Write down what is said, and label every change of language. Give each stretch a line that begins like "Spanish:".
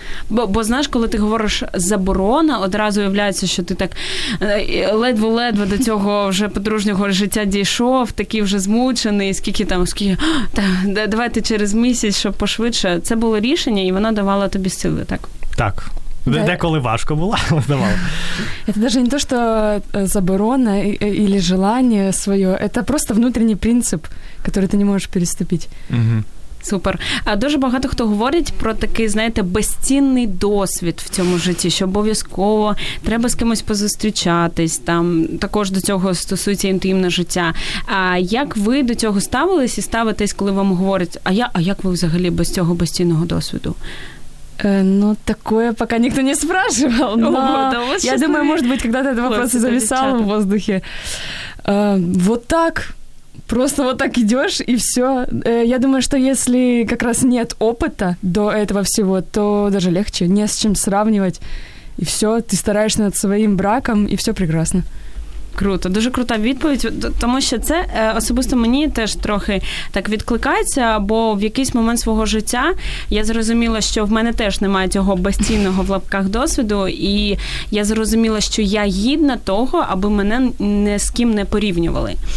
Ukrainian: Бо знаєш, коли ти говориш заборона, одразу виявляється, що ти так ледве-ледве до цього вже подружнього життя дійшов, такий вже змучений, скільки так, давайте через місяць, щоб пошвидше. Це було рішення, і воно давало тобі сили, так? Так. Да. Деколи важко було, але давало.
Russian: Это даже не то, что заборона или желание своё, это просто внутренний принцип, который ты не можешь переступить. Угу. Супер.
Ukrainian: А дуже багато хто говорить про такий, знаєте, безцінний досвід в цьому житті, що обов'язково треба з кимось позустрічатись, там також до цього стосується інтимне життя. А як ви до цього ставились і ставитесь, коли вам говорять, а як ви взагалі без цього безцінного досвіду?
Russian: Ну, такое пока никто не спрашивал, но я думаю, может быть, когда-то этот вопрос и зависал в воздухе. вот так, просто вот так идешь, и все. Я думаю, что если как раз нет опыта до этого всего, то даже легче, не с чем сравнивать. И все, ты стараешься над своим браком, и все прекрасно.
Ukrainian: Круто, дуже крута відповідь, тому що це особисто мені теж трохи так відкликається, бо в якийсь момент свого життя я зрозуміла, що в мене теж немає цього безцінного в лапках досвіду, і я зрозуміла, що я гідна того, аби мене ні з ким не порівнювали.